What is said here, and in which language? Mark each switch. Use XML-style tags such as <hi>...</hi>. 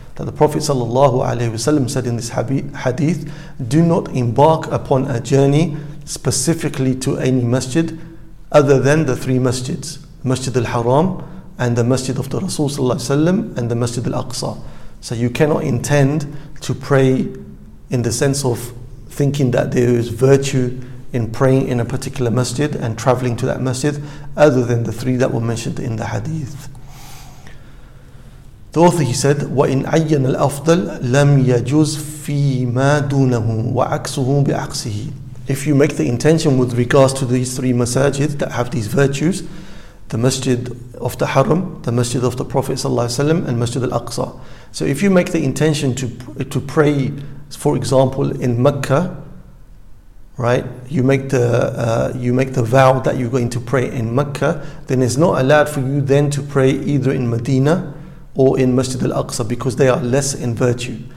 <en>That the Prophet sallallahu alayhi wa sallam said in this hadith, do not embark upon a journey specifically to any masjid other than the three masjids, Masjid al-Haram, and the Masjid of the Rasul sallallahu alayhi wa sallam, and the Masjid al-Aqsa. So you cannot intend to pray in the sense of thinking that there is virtue in praying in a particular masjid and traveling to that masjid other than the three that were mentioned in the hadith. The author, he said,</en> <ar>وَإِنْ عَيَّنَ الْأَفْضَلَ لَمْ يَجُزْ فِي مَا دُونَهُ وَعَكْسُهُ بِعَكْسِهِ.</ar> <en>If you make the intention with regards to these three masajid that have these virtues, the Masjid of the Haram, the Masjid of the Prophet ﷺ, and Masjid al-Aqsa. So if you make the intention to pray, for example, in Mecca, right, you make the vow that you're going to pray in Mecca, then it's not allowed for you then to pray either in Medina or in Masjid al-Aqsa, because they are less in virtue.</en>